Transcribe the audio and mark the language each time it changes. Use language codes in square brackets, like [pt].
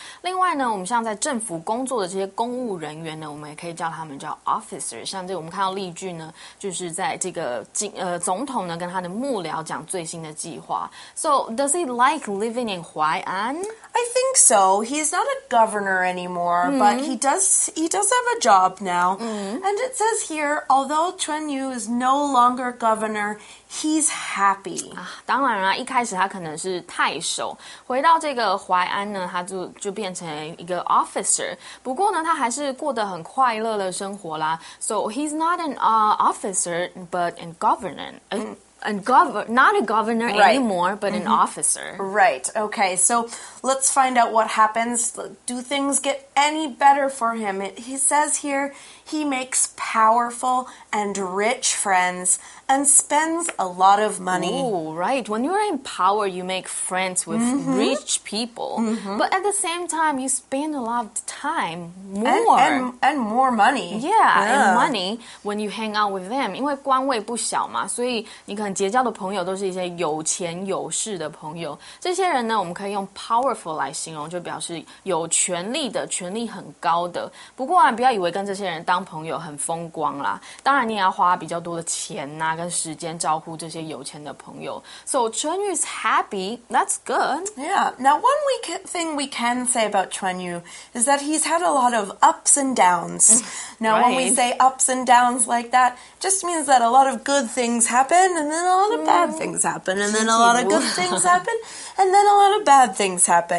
[zh] 另外呢我们像在政府工作的这些公务人员呢，我们也可以叫他们叫 officer。像这个我们看到例句呢，就是在这个总统呢跟他的幕僚讲最新的计划。 [en] So, does he like living in Huai'an? I think so. He's not a governor anymore, but he does have a job now. Mm-hmm. And it says here, although Chun Yu is no longer governor, he's happy. [zh] 当然啊，一开始他可能是太守，回到这个淮安呢，他就变成一个 officer. 不过呢，他还是过得很快乐的生活啦。 [en] So he's not an officer, but a governor. Not a governor anymore, but an officer. Right. Okay. So let's find out what happens. Do things get any better for him? He says here he makes powerful and rich friends and spends a lot of money. Oh, right. When you're in power, you make friends with rich people. Mm-hmm. But at the same time, you spend a lot of time and more money. Yeah, and money when you hang out with them. [zh] 因为官位不小嘛，所以你可能结交的朋友都是一些有钱有势的朋友。这些人呢，我们可以用 powerful 来形容，就表示有权力的，权力很高的。不过啊，不要以为跟这些人当朋友很风光啦，当然你也要花比较多的钱啊跟时间招呼这些有钱的朋友。 [en] So Chun Yu's happy, that's good. Yeah, now one thing we can say about Chun Yu is that he's had a lot of ups and downs. Now when we say ups and downs like that, just means that a lot of good things happen and then a lot of bad things happen and then a lot of good things happen and then a lot of bad things happen.